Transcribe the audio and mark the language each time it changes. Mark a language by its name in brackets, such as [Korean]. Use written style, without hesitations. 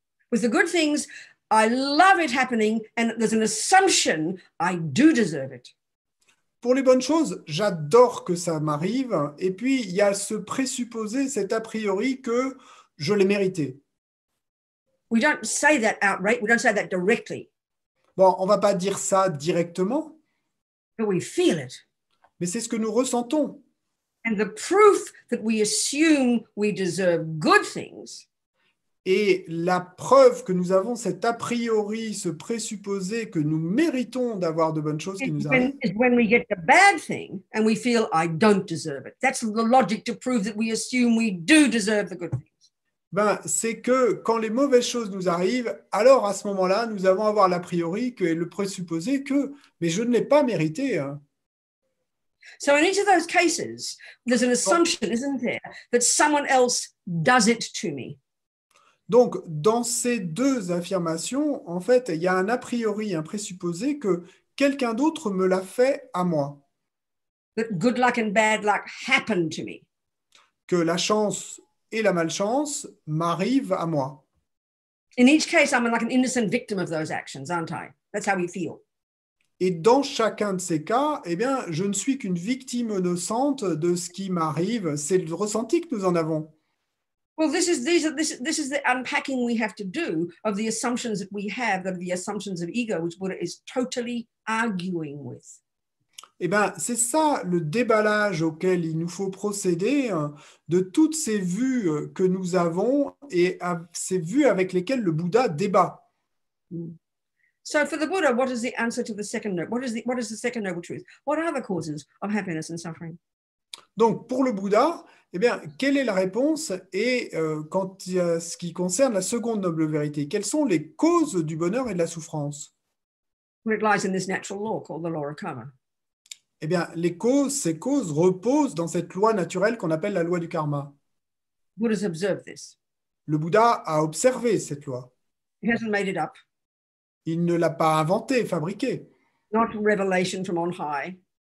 [English] With the good things, I love it happening, and there's an assumption I do deserve it. [French] Pour les bonnes choses, j'adore que ça m'arrive. Et puis, il y a ce présupposé, cet a priori que je l'ai mérité. [English] We don't say that outright, we don't say that directly. [French] Bon, on va pas dire ça directement, [English] But we feel it. [French] mais c'est ce que nous ressentons. [English] And the proof that we assume we deserve good things. [French] Et la preuve que nous avons cet a priori, ce présupposé que nous méritons d'avoir de bonnes choses qui nous arrivent, [English] Is when we get the bad thing and we feel I don't deserve it. That's the logic to prove that we assume we do deserve the good things. [French] ben, c'est que quand les mauvaises choses nous arrivent, alors à ce moment-là, nous allons avoir l'a priori que le présupposé que, mais je ne l'ai pas mérité. Hein. [English] So in each of those cases, there's an assumption, isn't there, that someone else does it to me. [French] Donc, dans ces deux affirmations, en fait, il y a un a priori, un présupposé que quelqu'un d'autre me l'a fait à moi. [English] That good luck and bad luck happen to me. [French] Que la chance et la malchance m'arrivent à moi. [English] In each case, I'm like an innocent victim of those actions, aren't I? That's how we feel. [French] Et dans chacun de ces cas, eh bien, je ne suis qu'une victime innocente de ce qui m'arrive. C'est le ressenti que nous en avons. [English] Well, this is the unpacking we have to do of the assumptions that we have, that are the assumptions of ego, which Buddha is totally arguing with. [French] Eh bien, c'est ça le déballage auquel il nous faut procéder hein, de toutes ces vues que nous avons et ces vues avec lesquelles le Bouddha débat. [English] So for the Buddha, what is the answer to the second noble? What is the second noble truth? What are the causes of happiness and suffering? [French] Donc, pour le Bouddha, eh bien, quelle est la réponse et quant à ce qui concerne la seconde noble vérité, quelles sont les causes du bonheur et de la souffrance? [English] It lies in this natural law called the law of karma. [French] Eh bien, ces causes reposent dans cette loi naturelle qu'on appelle la loi du karma. [English] Who has observed this? [French] Le Bouddha a observé cette loi. [English] He hasn't made it up. [French] Il ne l'a pas inventée, fabriquée. [English] Not revelation from on high.